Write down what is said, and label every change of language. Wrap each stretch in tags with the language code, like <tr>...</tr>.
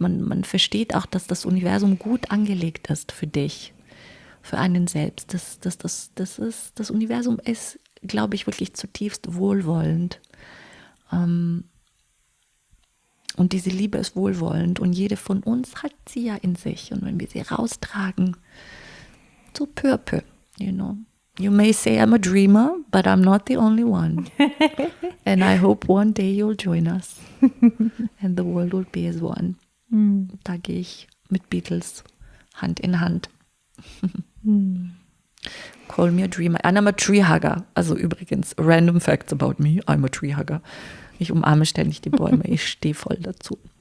<de>Man versteht auch, dass das Universum gut angelegt ist für dich. Für einen selbst. Das Universum ist, glaube ich, wirklich zutiefst wohlwollend. Und diese Liebe ist wohlwollend. Und jede von uns hat sie ja in sich. Und wenn wir sie raustragen, so peu à peu, you know.</de> <en>You may say I'm a dreamer, but I'm not the only one. And I hope one day you'll join us. And the world will be as one. Mm.</en> <de>Da gehe ich mit Beatles Hand in Hand.</de> <en>Call me a dreamer. And I'm a tree hugger.</en> <de>Also übrigens,</de> <en>random facts about me. I'm a tree hugger.</en> <de>Ich umarme ständig die Bäume. Ich stehe voll dazu.</de>